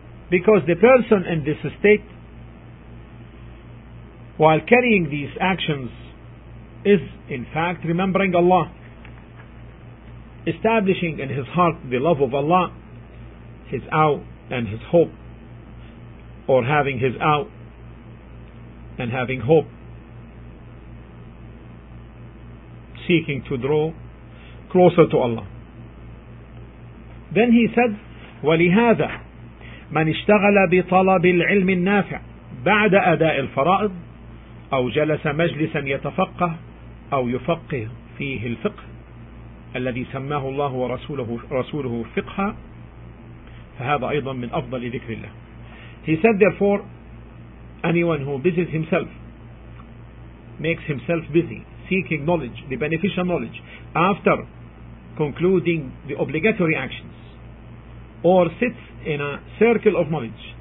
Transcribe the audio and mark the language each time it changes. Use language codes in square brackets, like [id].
[en] Because the person in this state, while carrying these actions, is in fact remembering Allah, establishing in his heart the love of Allah, his awe and his hope, or having his awe and having hope, seeking to draw closer to Allah. Then he said, [ar] وَلِهَذَا مَنْ اشْتَغَلَ بِطَلَبِ الْعِلْمِ النَّافِعِ بَعْدَ أَدَاءِ الْفَرَائِضِ أَوْ جَلَسَ مَجْلِسًا يَتَفَقَّهُ أَوْ يُفَقِّهُ فِيهِ الْفِقْهِ الذي سماه الله ورسوله فقها فهذا أيضا من أفضل ذكر الله. [en] He said, therefore, anyone who busies himself, makes himself busy seeking knowledge, the beneficial knowledge, after concluding the obligatory actions, or sits in a circle of knowledge